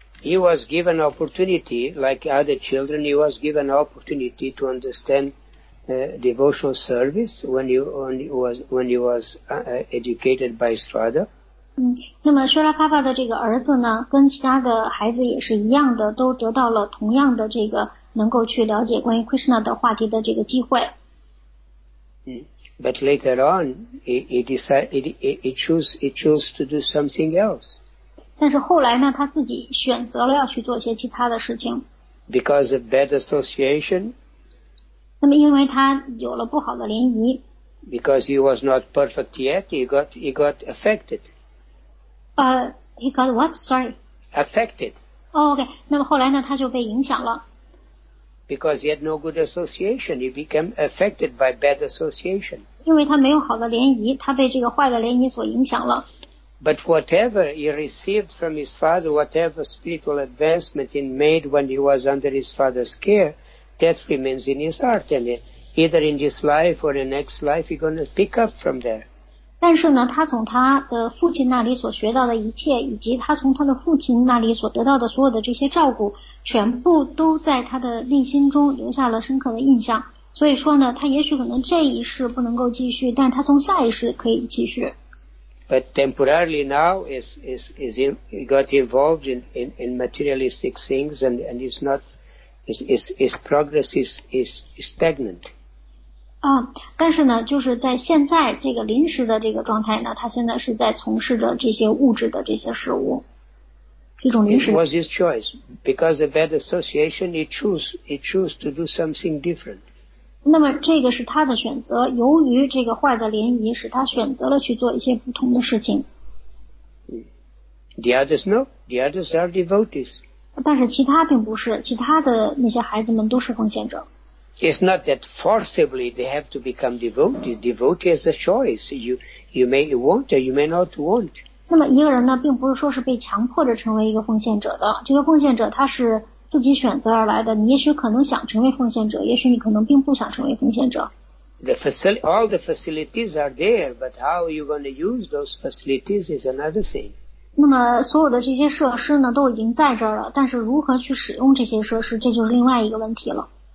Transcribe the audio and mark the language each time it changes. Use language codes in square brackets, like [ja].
[en] He was given opportunity, like other children, he was given opportunity to understand devotional service when he was educated by Srila. [zh] 那么舍拉帕帕的这个儿子呢，跟其他的孩子也是一样的，都得到了同样的这个能够去了解关于 Krishna 的话题的这个机会。 [en] But later on, he chose to do something else. [zh] 但是后来呢，他自己选择了要去做些其他的事情。 [en] Because of bad association. [zh] 那么因为他有了不好的联谊。 [en] Because he was not perfect yet, he got affected. He got what? Sorry. Affected. Oh, okay. [zh] 那么后来呢，他就被影响了。 [en] Because he had no good association, he became affected by bad association. [zh] 因为他没有好的联谊，他被这个坏的联谊所影响了。 [en] But whatever he received from his father, whatever spiritual advancement he made when he was under his father's care, that remains in his heart, and either in this life or the next life, he's going to pick up from there. [zh] 但是呢，他从他的父亲那里所学到的一切，以及他从他的父亲那里所得到的所有的这些照顾，全部都在他的内心中留下了深刻的印象。所以说呢，他也许可能这一世不能够继续，但是他从下一世可以继续。 [en] But temporarily now is he got involved in materialistic things and it's not his progress is stagnant. [zh] 但是呢，就是在现在这个临时的这个状态呢，他现在是在从事着这些物质的这些事物，这种临时。 [en] It was his choice because of bad association. He chose to do something different. [zh] 那么这个是他的选择，由于这个坏的联谊，使他选择了去做一些不同的事情。 [en] The others no. The others are devotees. [zh] 但是其他并不是，其他的那些孩子们都是奉献者。 [en] It's not that forcibly they have to become devotees. Devotee is a choice. You may want or you may not want. [zh] 那么一个人呢，并不是说是被强迫着成为一个奉献者的。这个奉献者他是自己选择而来的。你也许可能想成为奉献者，也许你可能并不想成为奉献者。 [en] All the facilities are there, but how are you going to use those facilities is another thing. [zh] 那么所有的这些设施呢，都已经在这儿了，但是如何去使用这些设施，这就是另外一个问题了。